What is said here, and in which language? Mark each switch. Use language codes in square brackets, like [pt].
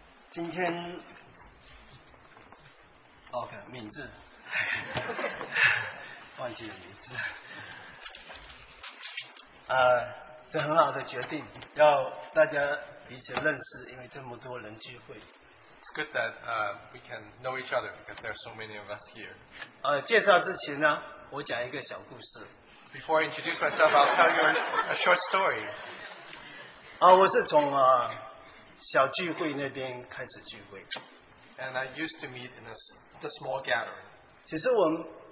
[zh] 今天 OK 名字 忘记了名字，这很好的决定，要大家彼此认识，因为这么多人聚会。 [en] It's good that we can know each other because there are so many of us here. [zh] 介绍之前呢，我讲一个小故事。 [en] Before I introduce myself, I'll tell you a short story. [zh] 我是从小聚会那边开始聚会。 [en] And I used to meet in the small gathering.